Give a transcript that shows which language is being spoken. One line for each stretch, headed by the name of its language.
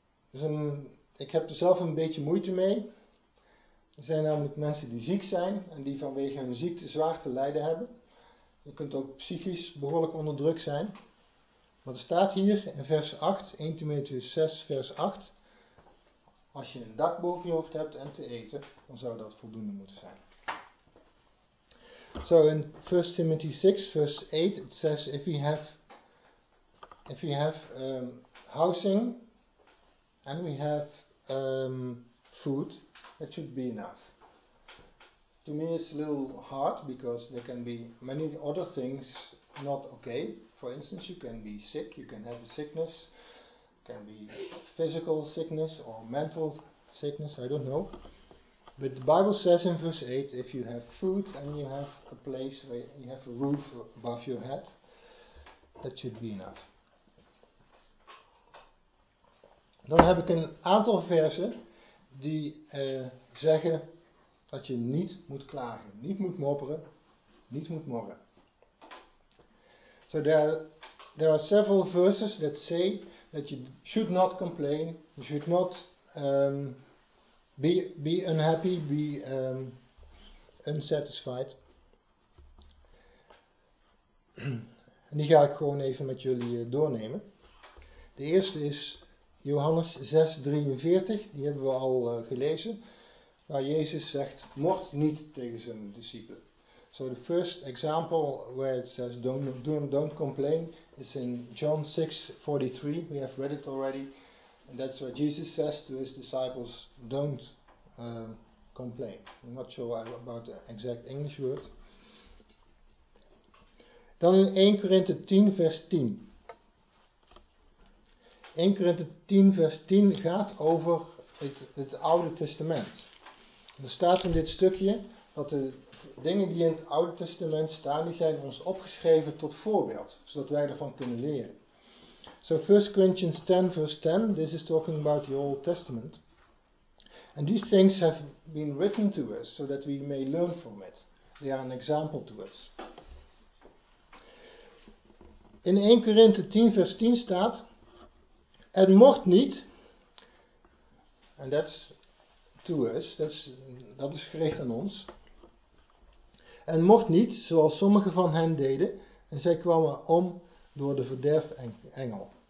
Dutch: Dus ik heb er zelf een beetje moeite mee. Er zijn namelijk mensen die ziek zijn en die vanwege hun ziekte zwaar te lijden hebben. Je kunt ook psychisch behoorlijk onder druk zijn. Maar er staat hier in vers 8, 1 Timotheus 6 vers 8. Als je een dak boven je hoofd hebt en te eten, dan zou dat voldoende moeten zijn.
English: So in 1 Timothy 6, verse 8, it says, if we have housing and we have food, that should be enough. To me it's a little hard because there can be many other things not okay. For instance, you can be sick, you can have a sickness, it can be physical sickness or mental sickness, I don't know. But the Bible says in verse 8, if you have food and you have a place where you have a roof above your head, that should be enough.
Dutch: Dan heb ik een aantal versen die zeggen dat je niet moet klagen, niet moet mopperen, niet moet morren.
English: So there are several verses that say that you should not complain, you should not be unhappy, be unsatisfied.
Dutch: En die ga ik gewoon even met jullie doornemen. De eerste is Johannes 6:43. Die hebben we al gelezen. Waar Jezus zegt, mord niet tegen zijn discipelen.
English: So the first example where it says don't complain is in John 6:43. We have read it already. And that's what Jesus says to his disciples, don't complain. I'm not sure about the exact English word.
Dutch: Dan in 1 Korinthe 10 vers 10. 1 Korinthe 10 vers 10 gaat over het Oude Testament. Er staat in dit stukje dat de dingen die in het Oude Testament staan, die zijn ons opgeschreven tot voorbeeld, zodat wij ervan kunnen leren.
English: So 1 Corinthians 10 vers 10, this is talking about the Old Testament. And these things have been written to us, so that we may learn from it. They are an example to us.
Dutch: In 1 Korinthe 10 vers 10 staat, het mocht niet,
English: and that's to us,
Dutch: dat is gericht aan ons. en mocht niet, zoals sommigen van hen deden, en zij kwamen om door de verderfengel.